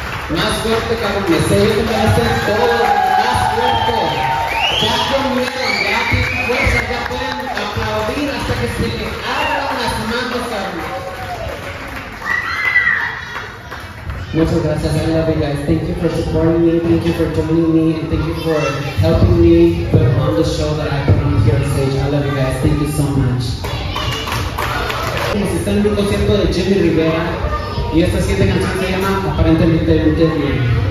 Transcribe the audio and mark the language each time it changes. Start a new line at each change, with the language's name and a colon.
Spanish: Más fuerte, cabrón, me sé que me hacen todo más fuerte. Ya comieron, ya tienen fuerza, ya pueden aplaudir hasta que se le abran las manos, cabrón. Muchas gracias,
English: I love you guys. Thank you for supporting me, thank you for joining me, and thank you for helping me put on the show that I put on here on stage. I love you guys, thank you so much.
Spanish: Estamos en un concierto de Jimmy Rivera y esta siguiente canción se llama Aparentemente Entendido.